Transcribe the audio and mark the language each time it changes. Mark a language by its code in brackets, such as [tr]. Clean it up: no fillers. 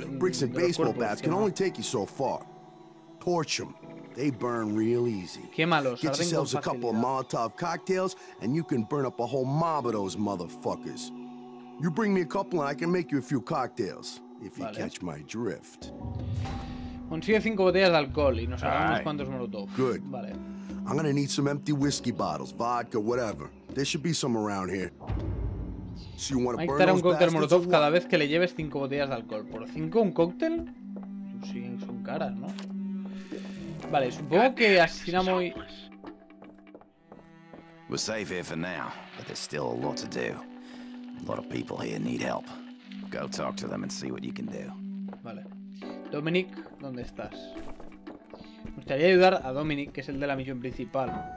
[en] bricks and baseball bats can only take you so far. Torch them. They burn real easy. [es] Qué malos. [en] Get yourselves a couple of Molotov cocktails and you can burn up a whole mob of those motherfuckers. You bring me a couple and I can make you a few cocktails if you catch my drift. [es] Consigue 5 botellas de alcohol y nos hagamos unos cuantos Molotov. [en] Good. [es] Vale. [en] I'm gonna need some empty whiskey bottles, vodka, whatever. There should be some around here. So you wanna burn those bastards or what? [es] Cada vez que le lleves 5 botellas de alcohol. ¿Por 5 un cóctel? Sí, son caras, ¿no? Vale, supongo que asesinamos y... [en] We're safe here for now, but there's still a lot to do. A lot of people here need help. Go talk to them and see what you can do. [es] Vale. Dominic, ¿dónde estás? Me gustaría ayudar a Dominic, que es el de la misión principal.